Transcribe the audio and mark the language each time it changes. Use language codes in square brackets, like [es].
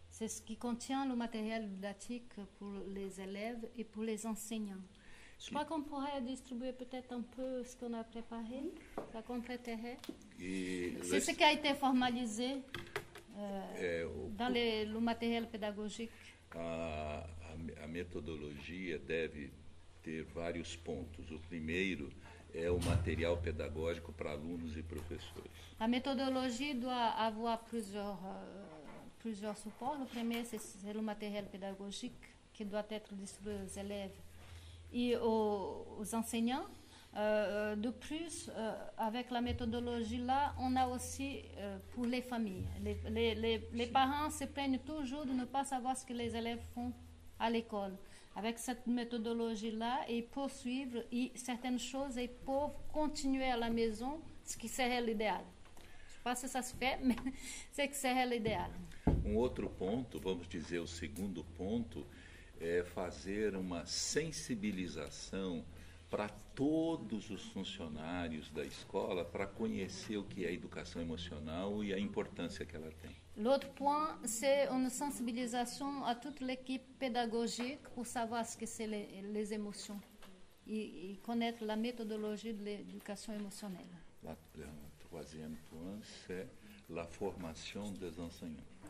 [fr] C'est ce qui contient le matériel didactique pour les élèves et pour les enseignants. Je crois qu'on pourrait distribuer peut-être un peu ce qu'on a préparé, ça compléterait. C'est ce qui a été formalisé dans le matériel pédagogique. [pt] A méthodologie deve ter vários pontos. O primeiro é o material pedagógico para alunos e professores. A metodologia [fr] doit avoir plusieurs supports. Le premier, c'est le matériel pédagogique qui doit être distribué aux élèves et aux enseignants. De plus, avec la méthodologie là, on a aussi pour les familles. Les parents se plaignent toujours de ne pas savoir ce que les élèves font à l'école. Avec cette méthodologie-là, ils peuvent suivre et certaines choses, ils peuvent continuer à la maison, ce qui serait l'idéal. Je ne sais pas si ça se fait, mais c'est que serait l'idéal. Un autre point, [pt] vamos dizer, o segundo ponto, é fazer uma sensibilização para todos os funcionários da escola para conhecer o que é a educação emocional e a importância que ela tem. [fr] L'autre point, c'est une sensibilisation à toute l'équipe pédagogique pour savoir ce que c'est les émotions et connaître la méthodologie de l'éducation émotionnelle. Le troisième point, c'est la formation des enseignants.